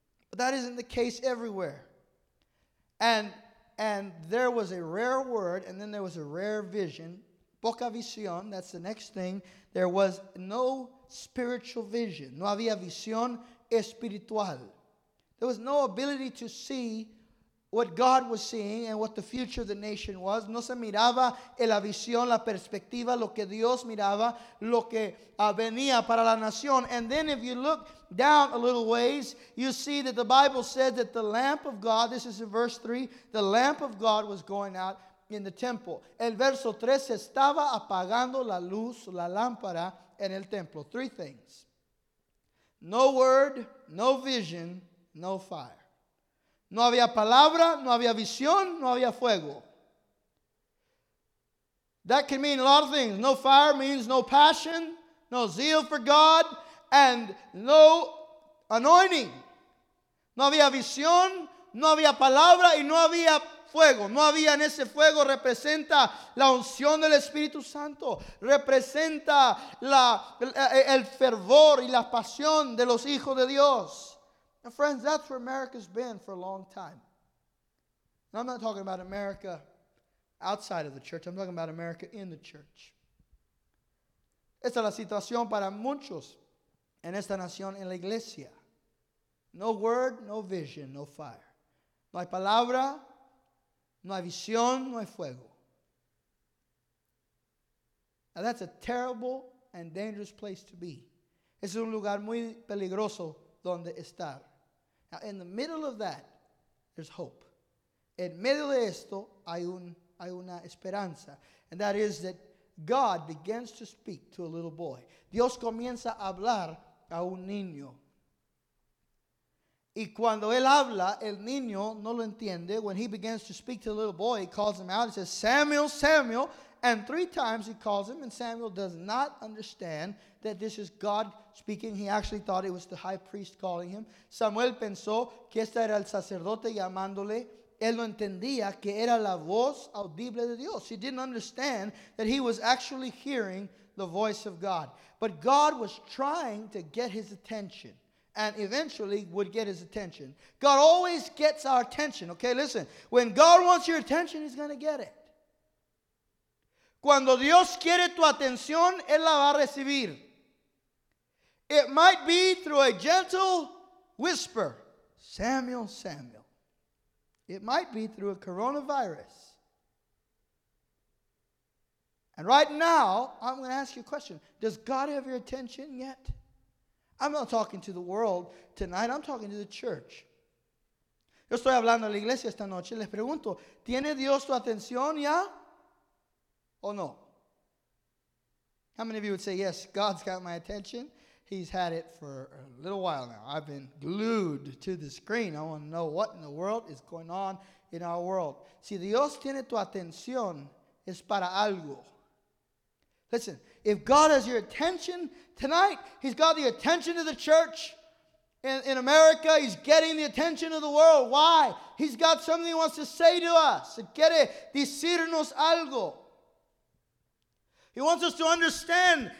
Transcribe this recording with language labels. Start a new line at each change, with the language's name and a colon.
English: But that isn't the case everywhere. And there was a rare word, and then there was a rare vision.
Spanish: Poca visión,
English: that's the next thing. There was no spiritual vision.
Spanish: No había visión espiritual.
English: There was no ability to see what God was seeing and what the future of the nation was.
Spanish: No se miraba en la visión, la perspectiva, lo que Dios miraba, lo que venía para la nación.
English: And then if you look down a little ways, you see that the Bible said that the lamp of God, this is in verse 3, the lamp of God was going out in the temple.
Spanish: El verso 3, estaba apagando la luz, la lámpara, en el templo.
English: Three things. No word, no vision, no fire.
Spanish: No había palabra, no había visión, no había fuego.
English: That can mean a lot of things. No fire means no passion, no zeal for God, and no anointing.
Spanish: No había visión, no había palabra, y no había fuego. No había en ese fuego representa la unción del Espíritu Santo. Representa el fervor y la pasión de los hijos de Dios.
English: And friends, that's where America's been for a long time. And I'm not talking about America outside of the church. I'm talking about America in the church.
Spanish: Esta es la situación para muchos en esta nación, en la iglesia.
English: No word, no vision, no fire.
Spanish: No hay palabra, no hay visión, no hay fuego.
English: And that's a terrible and dangerous place to be.
Spanish: Es un lugar muy peligroso donde estar.
English: Now, in the middle of that, there's hope.
Spanish: En medio de esto, hay una esperanza.
English: And that is that God begins to speak to a little boy.
Spanish: Dios comienza a hablar a un niño. Y cuando él habla, el niño no lo entiende.
English: When he begins to speak to the little boy, he calls him out. He says, Samuel, Samuel. And three times he calls him, and Samuel does not understand that this is God speaking. He actually thought it was the high priest calling him.
Spanish: Samuel pensó que este era el sacerdote llamándole. Él no entendía que era la voz audible de Dios.
English: He didn't understand that he was actually hearing the voice of God. But God was trying to get his attention. And eventually would get his attention. God always gets our attention. Okay, listen. When God wants your attention, he's going to get it.
Spanish: Cuando Dios quiere tu atención, él la va a recibir.
English: It might be through a gentle whisper. Samuel, Samuel. It might be through a coronavirus. And right now, I'm going to ask you a question. Does God have your attention yet? I'm not talking to the world tonight. I'm talking to the church.
Spanish: Yo estoy hablando a la iglesia esta noche. Les pregunto, ¿tiene Dios tu atención ya? ¿O no?
English: How many of you would say, yes, God's got my attention. He's had it for a little while now. I've been glued to the screen. I want to know what in the world is going on in our world.
Spanish: Si Dios tiene tu atención, es para algo.
English: Listen, if God has your attention tonight, he's got the attention of the church in America. He's getting the attention of the world. Why? He's got something he wants to say to us.
Spanish: Quiere decirnos algo.
English: He wants us to understand.